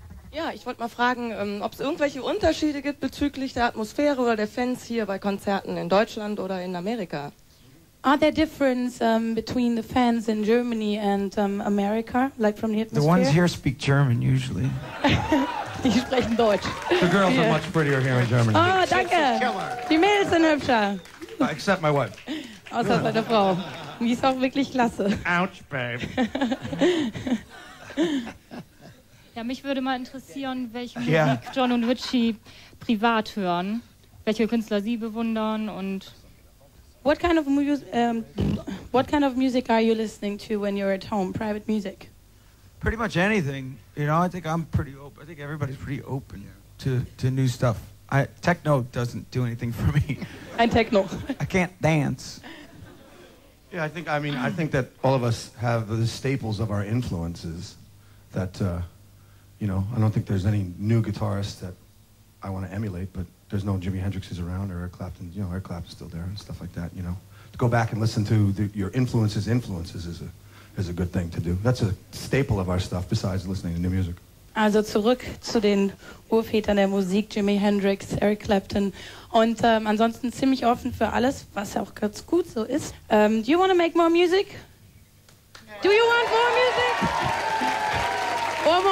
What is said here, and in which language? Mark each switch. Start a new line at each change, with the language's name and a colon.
German: Ja, ich wollte mal fragen, ob es irgendwelche Unterschiede gibt bezüglich der Atmosphäre oder der Fans hier bei Konzerten in Deutschland oder in Amerika.
English: Are there differences between the fans in Germany and America, like from the atmosphere? The ones here speak German usually.
German: Die sprechen Deutsch.
English: The girls are much prettier here in Germany.
German: Oh, danke. Die Mädels sind hübscher.
English: Except my wife.
German: Außer bei der Frau. Die ist auch wirklich klasse.
English: Ouch, babe.
German: Ja, mich würde mal interessieren, welche Musik John und Richie privat hören. Welche Künstler sie bewundern und...
English: What kind of music are you listening to when you're at home, private music? Pretty much anything. You know, I think I'm pretty open. I think everybody's pretty open to new stuff. Techno doesn't do anything for me. And techno. I can't dance. Yeah, I think that all of us have the staples of our influences that... You know, I don't think there's any new guitarist that I want to emulate, but there's no Jimi Hendrixes around or Eric Clapton. You know, Eric Clapton's still there and stuff like that, you know. To go back and listen to your influences is a good thing to do. That's a staple of our stuff besides listening to new music.
German: Also zurück zu den Urvätern der Musik, Jimi Hendrix, Eric Clapton. Und ansonsten ziemlich offen für alles, was auch ganz gut so ist.
English: Do you want to make more music? Do you want more music? One more.